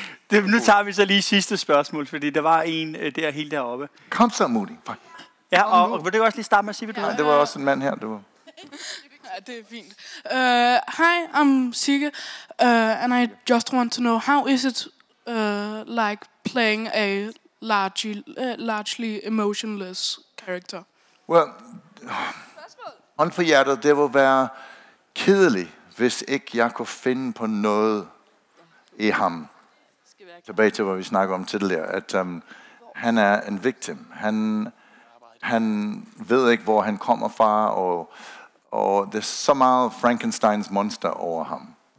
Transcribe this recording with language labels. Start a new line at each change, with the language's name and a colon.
Danish: Det, nu tager vi så lige sidste spørgsmål, fordi der var en der helt deroppe. Kom så, Moody. Ja, og vil du også lige starte med at sige, hvad du har? Det var også en mand her. Det var. Ja, det er fint.
English: Hi, I'm Sigge, and I just want to know, how is it like playing a largely emotionless character?
Danish: Well, hånd for hjertet, det vil være kedeligt, hvis ikke jeg kunne finde på noget i ham. Tilbage til, hvad vi snakker om tidligere, at han er en victim. Han ved ikke, hvor han kommer fra, og der er så meget Frankensteins monster over ham.